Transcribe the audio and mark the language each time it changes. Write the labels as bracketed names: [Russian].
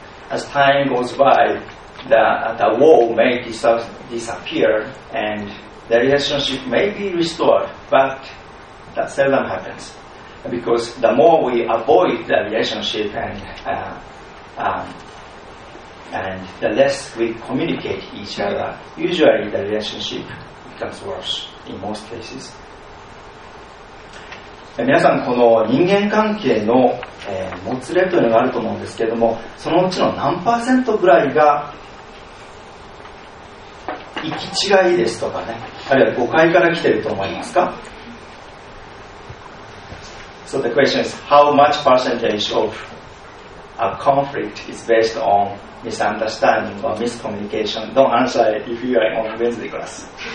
[English] As time goes by, the wall may disappear and the relationship may be restored, but that seldom happens. Because the more we avoid the relationship and the less we communicate each other, usually the relationship becomes worse in most cases. [Japanese] 皆さん、この人間関係の、もつれというのがあると思うんですけれども、そのうちの何パーセントぐらいが行き違いですとかね、あるいは誤解から来ていると思いますか？ [English] So the question is, how much percentage of a conflict is based onmisunderstanding or miscommunication? Don't answer it if you are on Wednesday class.